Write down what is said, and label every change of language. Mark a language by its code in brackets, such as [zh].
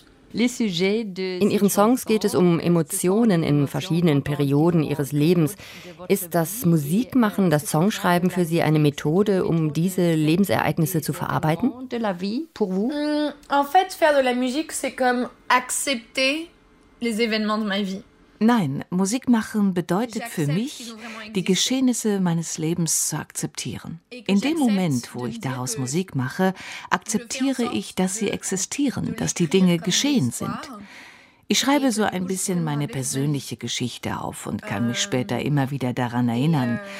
[de] In ihren Songs geht es um Emotionen in verschiedenen Perioden ihres Lebens. Ist das Musikmachen, das Songschreiben für Sie eine Methode, um diese Lebensereignisse zu verarbeiten? [fr] En fait, faire de la musique, c'est comme accepter les événements de ma vie. [de] Nein, Musik machen bedeutet für mich, die Geschehnisse meines Lebens zu akzeptieren. In dem Moment, wo ich daraus Musik mache, akzeptiere ich, dass sie existieren, dass die Dinge geschehen sind. Ich schreibe so ein bisschen meine persönliche Geschichte auf und kann mich später immer wieder daran erinnern.